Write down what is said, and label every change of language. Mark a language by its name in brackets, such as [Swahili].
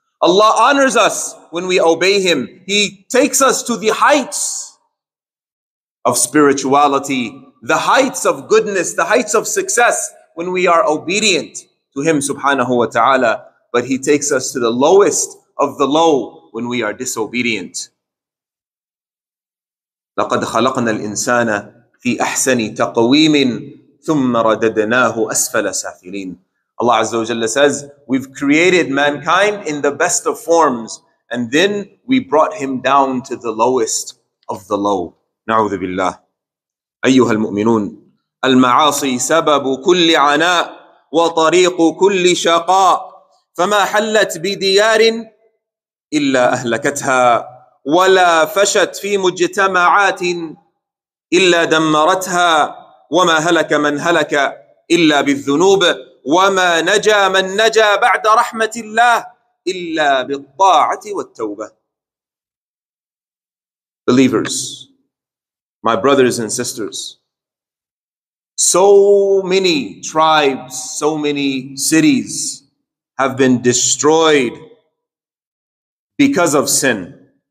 [English] Allah honors us when we obey Him. He takes us to the heights of spirituality, the heights of goodness, the heights of success when we are obedient to Him subhanahu wa ta'ala. But He takes us to the lowest of the low when we are disobedient. [Arabic] لقد خلقنا الإنسان في أحسن تقويم ثم رددناه أسفل سافلين. [English] Allah Azza wa Jalla says, we've created mankind in the best of forms and then we brought him down to the lowest of the low. [Arabic] نعوذ بالله. أيها المؤمنون, المعاصي سبب كل عناء وطريق كل شقاء فما حلت بديار إلا أهلكتها ولا فشت في مجتمعات إلا دمرتها وما هلك من هلك إلا بالذنوب وما نجا من نجا بعد رحمة الله إلا بالطاعة والتوبة. [English] Believers, my brothers and sisters, so many tribes, so many cities have been destroyed because of sin.